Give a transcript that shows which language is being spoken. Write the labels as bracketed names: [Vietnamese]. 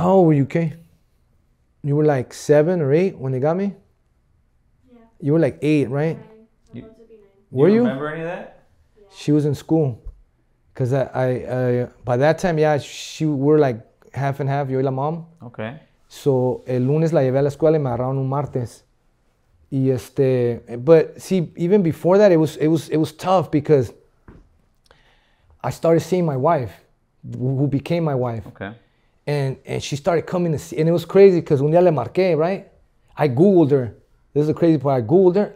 [English] How old were you, Kay? You were like 7 or 8 when they got me. You were like 8, right? Were you? Remember any of that? She was in school. Because I by that time, yeah, we're like half and half. [Spanish] Yo y la [English] mom. Okay. [Spanish] So, el lunes la llevé a la escuela y me agarraron un martes. Y este, [English] but see, even before that, it was tough because I started seeing my wife, who became my wife. Okay. And she started coming to see. And it was crazy because [Spanish] un día le marqué, [English] right? I Googled her. This is the crazy part. I Googled her.